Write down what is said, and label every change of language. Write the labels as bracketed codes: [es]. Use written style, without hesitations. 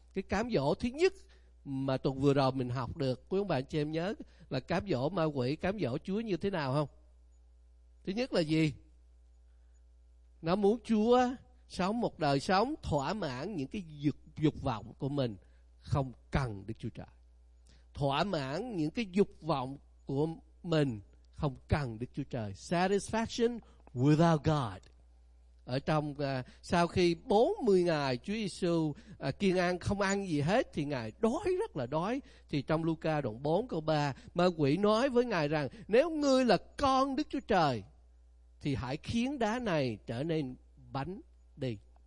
[vi] Cái cám dỗ thứ nhất mà tuần vừa rồi mình học được, quý ông bà anh chị em nhớ là cám dỗ ma quỷ, cám dỗ Chúa như thế nào không? Thứ nhất là gì? Nó muốn Chúa sống một đời sống thỏa mãn những cái dục vọng của mình, không cần Đức Chúa Trời. Thỏa mãn những cái dục vọng của mình, không cần Đức Chúa Trời. [en] Satisfaction without God. [vi] Ở trong sau khi 40 ngày Chúa Giêsu kiêng ăn, không ăn gì hết, thì Ngài đói, rất là đói. Thì trong Luca đoạn 4 câu 3, ma quỷ nói với Ngài rằng, nếu ngươi là con Đức Chúa Trời thì hãy khiến đá này trở nên bánh đi.